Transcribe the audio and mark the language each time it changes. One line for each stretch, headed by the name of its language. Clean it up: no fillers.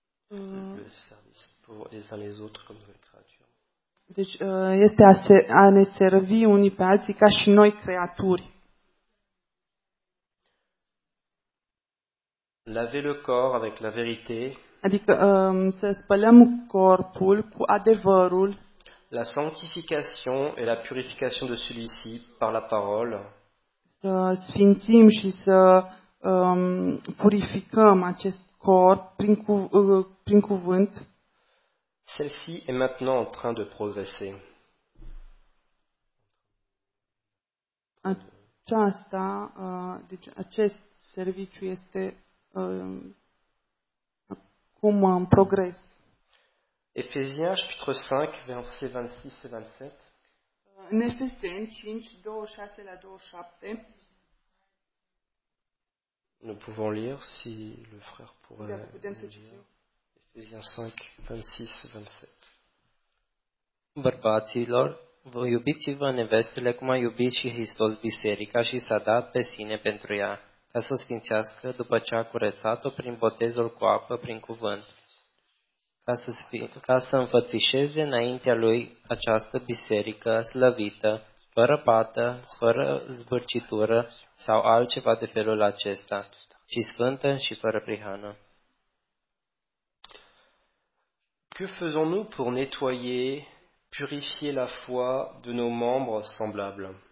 French: le service pour les uns les autres comme nouvelle créature.
Romanian: Deci este a ne servi unii pe alții ca și noi creaturi.
French: Laver le corps avec la vérité.
Romanian: Adică să spălăm corpul cu adevărul.
French: La sanctification et la purification de celui-ci par la parole.
Romanian: Să sfințim și să purificăm acest corp prin cuvânt.
French: Celle-ci est maintenant en train de progresser.
Romanian: Aceasta, deci acest serviciu este cum în progres.
French: Efeziens chapitre 5 versets 26 et 27.
Romanian: În Efeseni 5 26 la 27.
French: Nous pouvons lire si le frère pourrait. Efeziens 5 26 27.
Romanian: Bărbaților, voi iubiți-vă nevestele cum a iubit și Hristos biserica și s-a dat pe sine pentru ea, ca să o sfințească după ce a curățat-o prin botezul cu apă, prin cuvânt, ca să înfățișeze înaintea lui această biserică slăvită, fără pată, fără zbârcitură sau altceva de felul acesta, și sfântă și fără prihană.
French: Que faisons-nous pour nettoyer, purifier la foi de nos membres semblables?